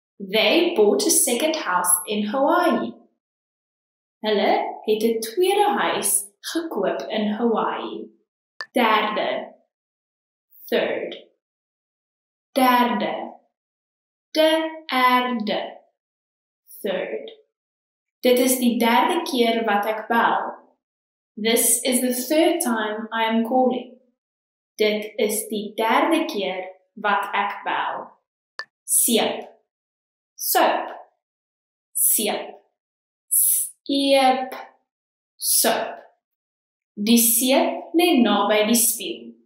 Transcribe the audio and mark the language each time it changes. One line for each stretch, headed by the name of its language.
English: They bought a second house in Hawaii.
Afrikaans: Hulle het 'n tweede huis gekoop in Hawaii. Derde. Third. Derde. Derde. Third. Dit is die derde keer wat ek bel.
English: This is the third time I am calling.
Afrikaans: Dit is die derde keer wat ek bel. Seep. Soap. Seep. Seep. Soap. Die seep lê naby die spieël.